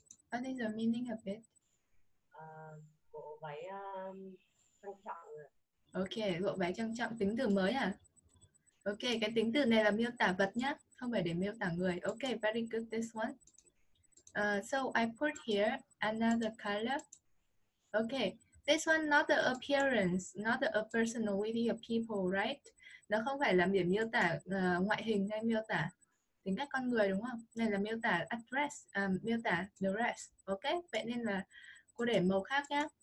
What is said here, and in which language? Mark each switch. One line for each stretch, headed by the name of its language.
English: What is the meaning of it?
Vietnamese: Bộ váy trang trọng. Okay, bộ váy trang trọng, tính từ mới à? Okay, cái tính từ này là miêu tả vật nhá, không phải để miêu tả người.
English: Okay, very good this one. So I put here another color. Okay, this one not the appearance, not a personality of people, right?
Vietnamese: Nó không phải là biểu miêu tả ngoại hình hay miêu tả tính cách con người đúng không? Này là miêu tả address, miêu tả dress. Okay, vậy nên là cô để màu khác nhá.